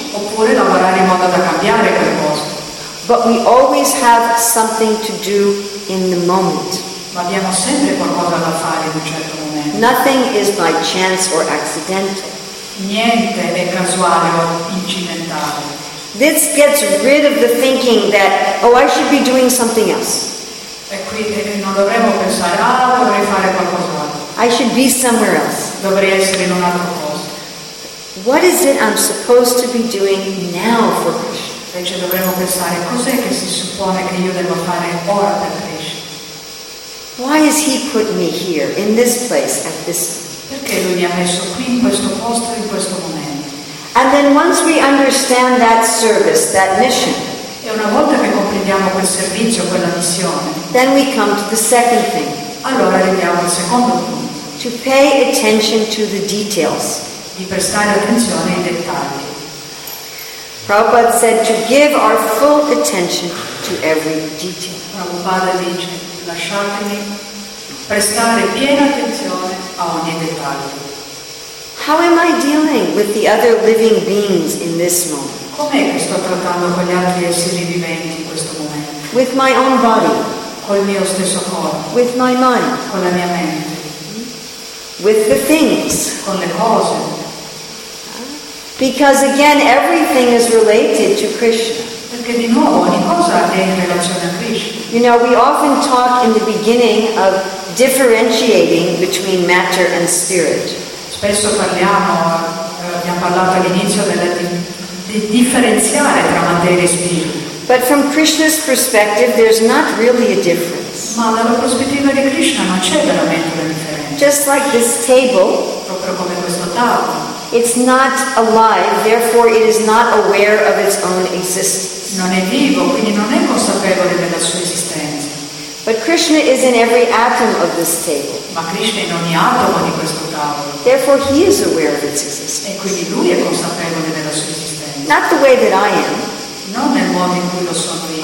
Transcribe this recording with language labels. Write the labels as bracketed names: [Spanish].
[Italian] Oppure lavorare in modo da cambiare quel posto. [English] But we always have something to do in the moment. [Italian] Ma abbiamo sempre qualcosa da fare in un certo momento. [English] Nothing is by chance or accidental. [Italian] Niente è casuale o incidentale. [English] This gets rid of the thinking that, oh, I should be doing something else. [Italian] E quindi non dovremmo pensare, ah, dovrei fare qualcos'altro. [English] I should be somewhere else. [Italian] Dovrei essere in un altro posto. [English] What is it I'm supposed to be doing now for Krishna? [Italian] Invece dovremmo pensare, cos'è che si suppone che io devo fare ora per Krishna? [English] Why has he put me here, in this place, at this time? [Italian] Perché lui mi ha messo qui, in questo posto, in questo momento? [English] And then once we understand that service, that mission, [Italian] e una volta che comprendiamo quel servizio, quella missione, [English] then we come to the second thing. [Italian] Allora arriviamo al secondo punto. [English] To pay attention to the details. [Italian] Di prestare attenzione ai dettagli. [English] Prabhupada said to give our full attention to every detail. [Italian] Prabhupada dice, lasciatemi prestare piena attenzione a ogni dettaglio. [English] How am I dealing with the other living beings in this moment? [Italian] Com'è che sto trattando con gli altri esseri viventi in questo momento? [English] With my own body. [Italian] Col mio stesso corpo. [English] With my mind. [Italian] Con la mia mente. [English] With the things. [Italian] Con le cose. [English] Because again, everything is related to Krishna. [Italian] Perché di nuovo ogni cosa è in relazione a Krishna. [English] You know, we often talk in the beginning of differentiating between matter and spirit. [Italian] Spesso parliamo, abbiamo parlato all'inizio della differenziare tra materia e spirito. [English] But from Krishna's perspective, there's not really a difference. [Italian] Ma dalla prospettiva di Krishna non c'è veramente una differenza. [English] Just like this table, [Italian] proprio come questo tavolo, [English] it's not alive, therefore it is not aware of its own existence. [Italian] Non è vivo, quindi non è consapevole della sua esistenza. [English] But Krishna is in every atom of this table. [Italian] Ma Krishna è in ogni atomo di questo tavolo. [English] Therefore he is aware of its existence. [Italian] E quindi lui è consapevole della sua esistenza. [English] Not the way that I am. [Italian] Non nel modo in cui lo sono io.